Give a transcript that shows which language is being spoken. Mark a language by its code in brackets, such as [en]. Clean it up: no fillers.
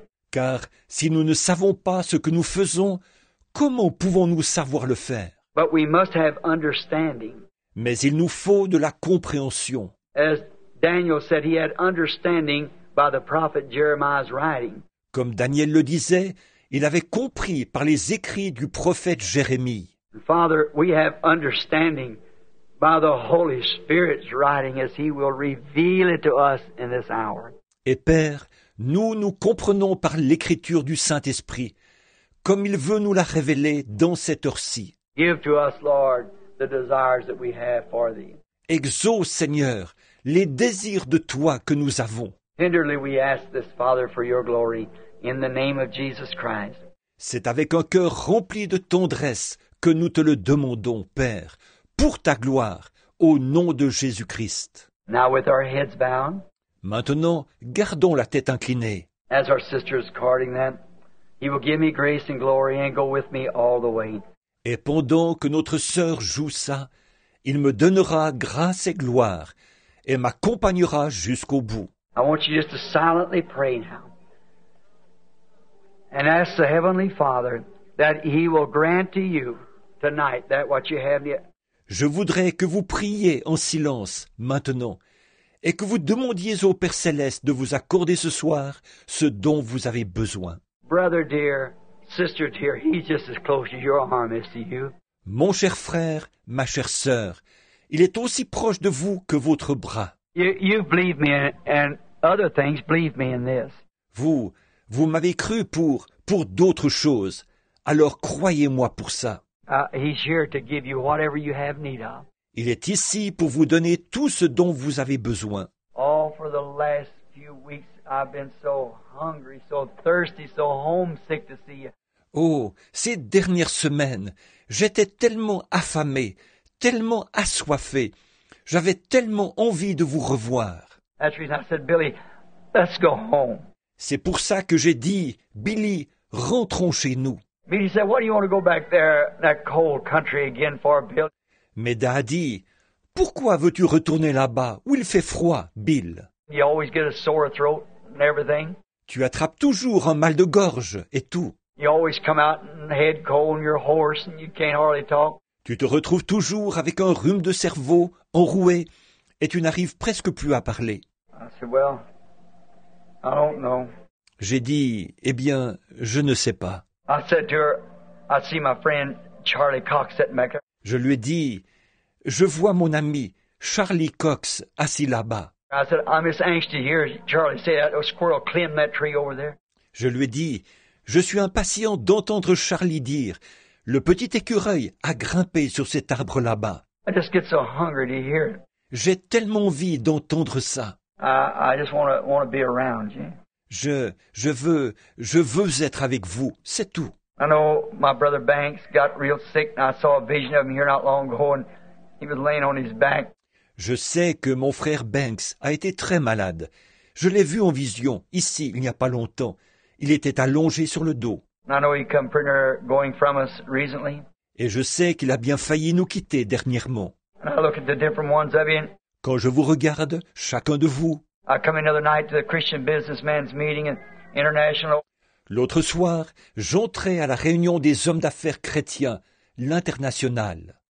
[fr] Car si nous ne savons pas ce que nous faisons, comment pouvons-nous savoir le faire? [en] But we must have understanding. [fr] Mais il nous faut de la compréhension. [en] As Daniel said, he had understanding by the prophet Jeremiah's writing. [fr] Comme Daniel le disait, il avait compris par les écrits du prophète Jérémie. [en] Father, we have understanding by the Holy Spirit's writing as he will reveal it to us in this hour. [fr] Et Père, nous comprenons par l'écriture du Saint-Esprit, comme il veut nous la révéler dans cette heure-ci. [en] Give to us, Lord, the desires that we have for thee. [fr] Exauce, Seigneur, les désirs de toi que nous avons. [en] Tenderly we ask this, Father, for your glory in the name of Jesus Christ. [fr] C'est avec un cœur rempli de tendresse que nous te le demandons, Père, pour ta gloire, au nom de Jésus-Christ. [en] Now with our heads bound, [fr] maintenant, gardons la tête inclinée. [en] As our sister is guarding them, he will give me grace and glory and go with me all the way. [fr] Et pendant que notre sœur joue ça, il me donnera grâce et gloire et m'accompagnera jusqu'au bout. [en] I want you just to silently pray now and ask the Heavenly Father that he will grant to you tonight that what you have yet. [fr] Je voudrais que vous priiez en silence maintenant et que vous demandiez au Père Céleste de vous accorder ce soir ce dont vous avez besoin. [en] Brother dear, sister dear, he's just as close to your arm as to you. [fr] Mon cher frère, ma chère sœur, il est aussi proche de vous que votre bras. [en] You believe me in, and other things believe me in this. [fr] Vous m'avez cru pour d'autres choses. Alors croyez-moi pour ça. [en] He's here to give you whatever you have need of. [fr] Il est ici pour vous donner tout ce dont vous avez besoin. [en] Oh, for the last few weeks, I've been so hungry, so thirsty, so homesick to see you. [fr] Oh, ces dernières semaines, j'étais tellement affamé, tellement assoiffé. J'avais tellement envie de vous revoir. [en] That's the reason I said, Billy, let's go home. [fr] C'est pour ça que j'ai dit, Billy, rentrons chez nous. [en] Billy said, "What do you want to go back there, that cold country again for, Bill?" [fr] Mais Daddy, pourquoi veux-tu retourner là-bas où il fait froid, Bill? [en] You always get a sore throat and everything. [fr] Tu attrapes toujours un mal de gorge et tout. [en] You always come out and head cold and you're hoarse and you can't hardly talk. [fr] Tu te retrouves toujours avec un rhume de cerveau enroué et tu n'arrives presque plus à parler. [en] I said, "Well, I don't know." [fr] J'ai dit, eh bien, je ne sais pas. [en] I said to her, I see my friend Charlie Cox sitting back there. [fr] Je lui ai dit, je vois mon ami Charlie Cox assis là-bas. [en] I said, I'm just anxious to hear Charlie say that a squirrel climbed that tree over there. [fr] Je lui ai dit, je suis impatient d'entendre Charlie dire, le petit écureuil a grimpé sur cet arbre là-bas. [en] I just get so hungry to hear it. [fr] J'ai tellement envie d'entendre ça. [en] I just want to be around you. [fr] Je veux être avec vous. C'est tout. [en] I know my brother Banks got real sick, and I saw a vision of him here not long ago, and he was laying on his back. [fr] Je sais que mon frère Banks a été très malade. Je l'ai vu en vision ici il n'y a pas longtemps. Il était allongé sur le dos. [en] And I know he come pretty near going from us recently. [fr] Et je sais qu'il a bien failli nous quitter dernièrement. [en] And I look at the different ones of you. [fr] Quand je vous regarde, chacun de vous. [en] I come another night to the Christian businessman's meeting in international. [fr] L'autre soir, j'entrais à la réunion des hommes d'affaires chrétiens, l'international.